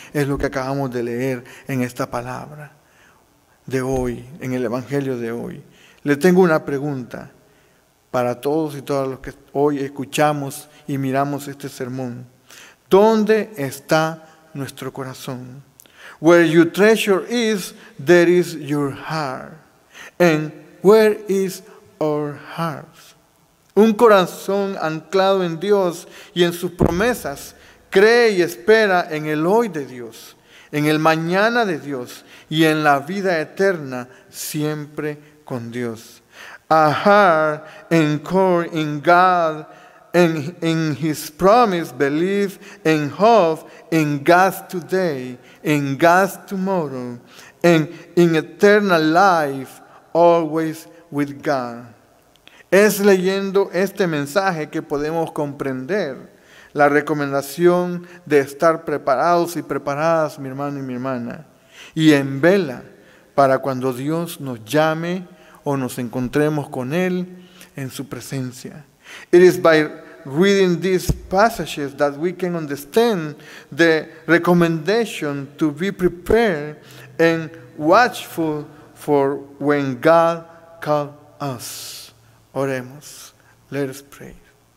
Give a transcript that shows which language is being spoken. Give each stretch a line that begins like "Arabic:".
Spanish: Es lo que acabamos de leer en esta palabra de hoy, en el Evangelio de hoy. Le tengo una pregunta. para todos y todas los que hoy escuchamos y miramos este sermón. ¿Dónde está nuestro corazón?
English: Where your treasure is, there is your heart. And where is our hearts?
Spanish: Un corazón anclado en Dios y en sus promesas cree y espera en el hoy de Dios, en el mañana de Dios y en la vida eterna siempre con Dios.
English: A heart anchored in God and in His promise, believe and hope in God's today, in God's tomorrow, and in eternal life, always with God.
Spanish: Es leyendo este mensaje que podemos comprender la recomendación de estar preparados y preparadas, mi hermano y mi hermana, y en vela para cuando Dios nos llame o nos encontremos con Él en su presencia.
English: It is by reading these passages that we can understand the recommendation to be prepared and watchful for when God calls us.
Spanish: Oremos.
English: Let us pray.